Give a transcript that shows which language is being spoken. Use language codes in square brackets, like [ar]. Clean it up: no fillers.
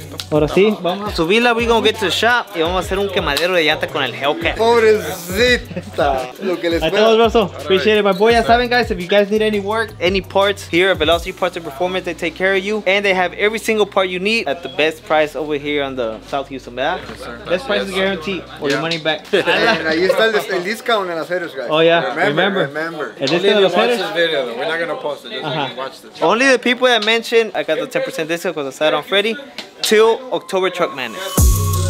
[es] Ahora sí, vamos a subirla. [en] We gonna get to the shop [es] y vamos a hacer un quemadero de llanta con el Hellcat. Pobrecita. Lo que les espera. A todos, Russell. [en] Appreciate it, my boy. [es] Ya saben, [en] guys, if you guys need any work, any parts here at Velocity Parts and Performance, they take care of you and they have every single part you need at the best price over here on the South Houston, ¿verdad? Yes, best price is guaranteed or your money back. [es] Ahí está el discount en las series, guys. [en] Oh, yeah. Remember. Only watch this video, though. We're not gonna post it. Just watch this. Only the people that mentioned, I got the 10% discount because I saw it on Freddy. Till October Truck Madness.